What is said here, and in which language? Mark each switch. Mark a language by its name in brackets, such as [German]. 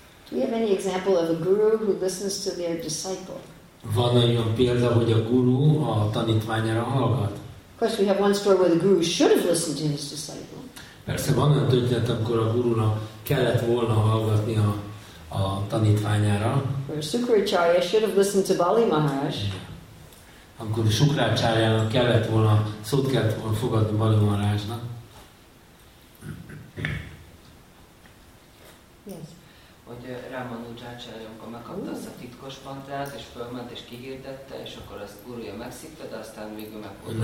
[English] Do you have any example of a guru who listens to their disciple? [Hungarian] Van olyan példa, hogy a guru a tanítványára hallgat? [English] Of course, we have one story where the guru should have listened to his disciple. [Hungarian] Persze van olyan történet, amikor a gurunak kellett volna hallgatni a tanítványára. [English] Where Sukracharya should have listened to Bali Maharaj. [Hungarian] Amikor Sukracharyának kellett volna, szót kellett volna fogadni Bali Maharajnak. Hogy Rámanujácsárja, amikor megkapta azt a titkos mantrát, és fölment, és kihirdette, és akkor azt gurúja megszívta, de aztán végül megfogta.